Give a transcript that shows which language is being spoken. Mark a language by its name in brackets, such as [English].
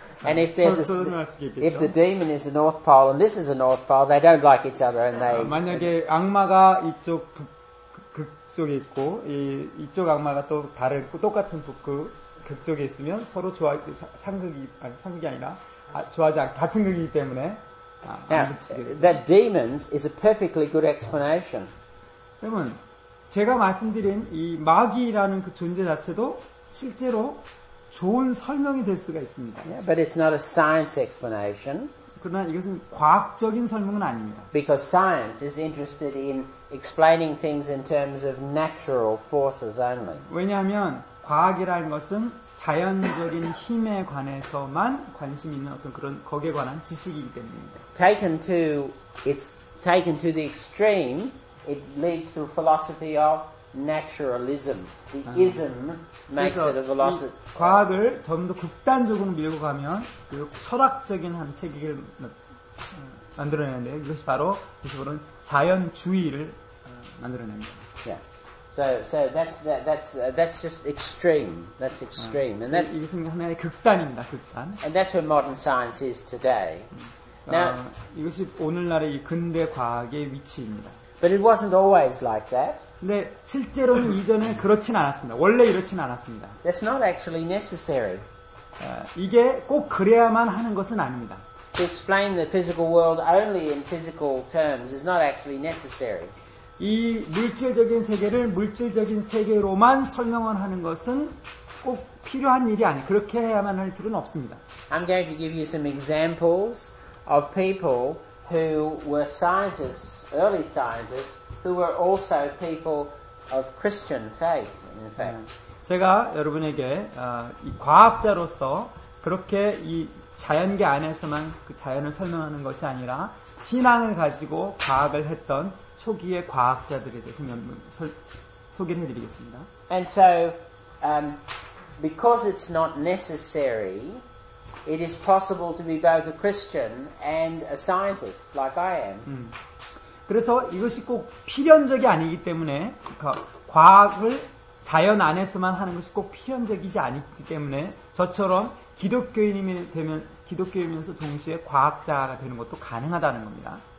[English] And if there's if the demon is the North Pole and this is the North Pole, they don't like each other and they. [Korean] 만약에 악마가 이쪽 극 쪽에 있고 이쪽 악마가 또 다른 똑같은 극 쪽에 있으면 서로 좋아할 때 상극이 아니라 좋아하지 않 같은 극이기 때문에 [English] That demons is a perfectly good explanation. [Korean] 그러면 제가 말씀드린 이 마귀라는 그 존재 자체도 실제로 좋은 설명이 될 수가 있습니다. [English] Yeah, but it's not a science explanation. [Korean] 그러나 이것은 과학적인 설명은 아닙니다. [English] Because science is interested in explaining things in terms of natural forces only. [Korean] 왜냐하면 과학이라는 것은 자연적인 힘에 관해서만 관심 있는 어떤 그런 거기에 관한 지식이기 때문입니다. [English] Taken to the extreme, it leads to a philosophy of naturalism. The ism makes it a philosophy. [Korean] 과학을 좀 더 극단적으로 밀고 가면 그 철학적인 한 체계를 만들어내는데 이것이 바로 그런 자연주의를 만들어냅니다. [English] Yeah. So that's just extreme. That's extreme. And that's [Korean] 이것은 하나의 극단입니다. 극단. [English] And that's where modern science is today. [Korean] Now 이것이 오늘날의 이 근대 과학의 위치입니다. [English] But it wasn't always like that. [Korean] 근데 실제로는 이전에 그렇진 않았습니다. 원래 이렇진 않았습니다. [English] That's not actually necessary. [Korean] 이게 꼭 그래야만 하는 것은 아닙니다. [English] To explain the physical world only in physical terms is not actually necessary. [Korean] 이 물질적인 세계를 물질적인 세계로만 설명을 하는 것은 꼭 필요한 일이 아니에요. 그렇게 해야만 할 필요는 없습니다. [English] I'm going to give you some examples of people who were scientists, early scientists, who were also people of Christian faith, in fact. [Korean] 제가 여러분에게 이 과학자로서 그렇게 이 자연계 안에서만 그 자연을 설명하는 것이 아니라 신앙을 가지고 과학을 했던 초기의 과학자들에 대해서 소개를 해드리겠습니다. [English] And so, because it's not necessary, it is possible to be both a Christian and a scientist, like I am. [Korean] 그래서 이것이 꼭 필연적이 아니기 때문에 과학을 자연 안에서만 하는 것이 꼭 필연적이지 않기 때문에 저처럼 기독교인이 되면 기독교이면서 동시에 과학자가 되는 것도 가능하다는 겁니다.